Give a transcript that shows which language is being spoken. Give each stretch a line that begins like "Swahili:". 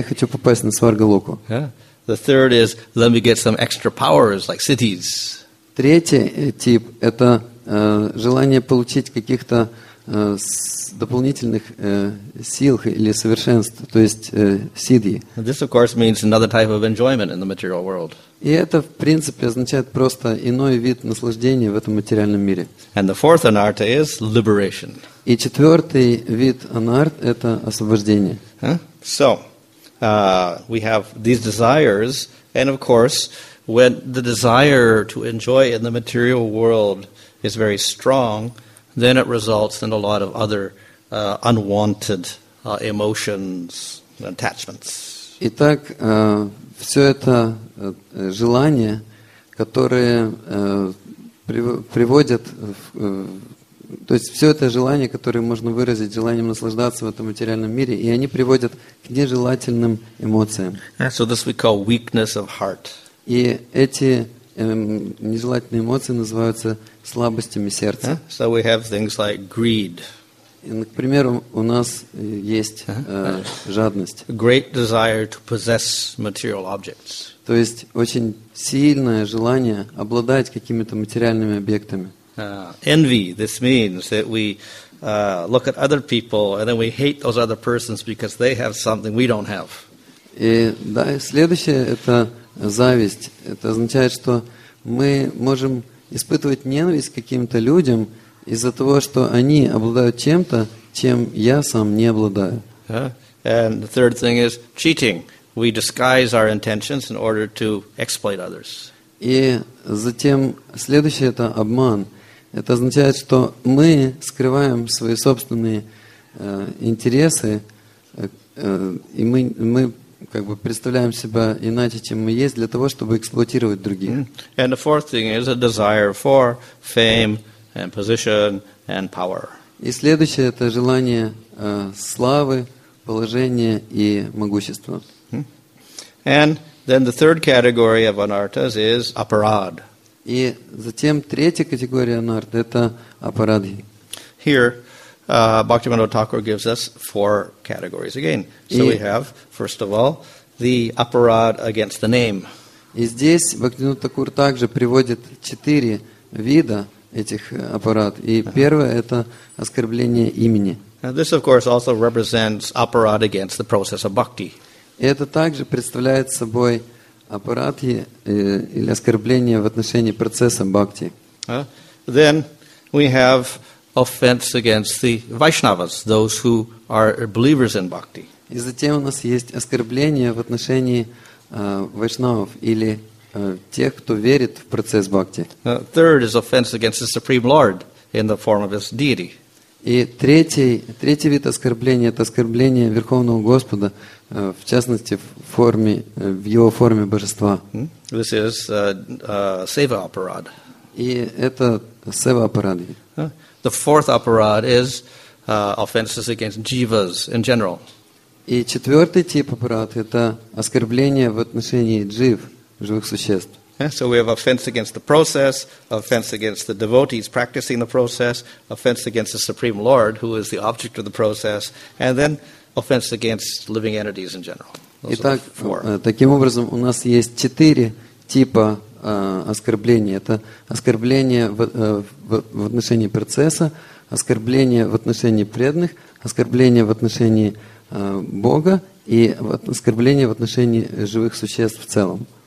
Russian: Я хочу попасть на Сваргалоку.
English: Yeah. The third is let me get some extra powers like cities.
Russian: Третий тип — это желание получить каких-то дополнительных сил или совершенств, то есть сиддхи.
English: This, of course, means another type of enjoyment in the material world.
Russian: И это, в принципе, означает просто иной вид наслаждения в этом материальном мире.
English: And the fourth anarta is liberation.
Russian: И четвертый вид анарт — это освобождение.
English: So, we have these desires, and, of course, when the desire to enjoy in the material world is very strong, then it results in a lot of other unwanted emotions, attachments.
Russian: Итак, все это желание, которое приводит, то есть все это желание, которое можно выразить желанием наслаждаться в этом материальном мире, и они приводят к нежелательным эмоциям.
English: So this we call weakness of heart.
Russian: И эти нежелательные эмоции называются слабостями сердца.
English: So we have things like greed.
Russian: И, например, у нас есть жадность.
English: Great desire to possess material objects.
Russian: То есть очень сильное желание обладать какими-то материальными объектами.
English: envy. This means that we look at other people and then we hate those other persons because they have something we don't have.
Russian: И, да, и следующее – это зависть. Это означает, что мы можем испытывать ненависть к каким-то людям из-за того, что они обладают чем-то, чем я сам не обладаю.
English: And the third thing is cheating. We disguise our intentions in order to exploit others.
Russian: И затем следующее – это обман. Это означает, что мы скрываем свои собственные интересы, и мы как бы представляем себя иначе, чем мы есть, для того, чтобы эксплуатировать других.
English: And the fourth thing is a desire for fame and position and power.
Russian: И следующее – это желание славы, положения и могущества.
English: And then the third category of anarthas is aparad.
Russian: И затем третья категория анарт – это апарадхи.
English: Here, Bhaktivinoda Thakur gives us four categories again. So we have, first of all, the aparad against the name.
Russian: И здесь Бхактивинода Такур также приводит четыре вида этих апарад. И первое – это оскорбление имени.
English: This, of course, also represents aparad against the process of bhakti.
Russian: Это также представляет собой аппараты или оскорбления в отношении процесса бхакти.
English: Then we have offense against the Vaishnavas, those who are believers in bhakti.
Russian: И затем у нас есть оскорбление в отношении вайшнавов или тех, кто верит в процесс бхакти.
English: Third is offense against the Supreme Lord in the form of his deity.
Russian: И третий вид оскорбления – это оскорбление Верховного Господа, в частности, в его форме божества.
English: This is seva aparad.
Russian: И это seva aparad.
English: The fourth aparad is offenses against jivas in general.
Russian: И четвертый тип аппарат – это оскорбление в отношении джив, живых существ.
English: So we have offense against the process, offense against the devotees practicing the process, offense against the Supreme Lord, who is the object of the process, and then offense against living entities in general. Those
Russian: Итак, таким образом, у нас есть четыре типа оскорблений. Это оскорбление в отношении процесса, оскорбление в отношении преданных, оскорбление в отношении Бога и оскорбление в отношении живых существ в целом.